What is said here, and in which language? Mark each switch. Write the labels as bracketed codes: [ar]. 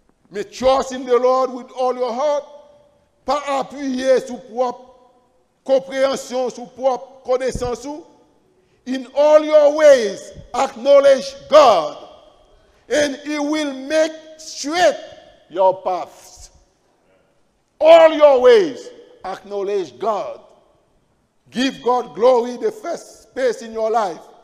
[fr] Mais [en] trust in the Lord with all your heart. [fr] Pas appuyer sur propre compréhension, sur propre connaissance. [en] In all your ways, acknowledge God, and He will make straight your paths. All your ways, acknowledge God. Give God glory, the first space in your life.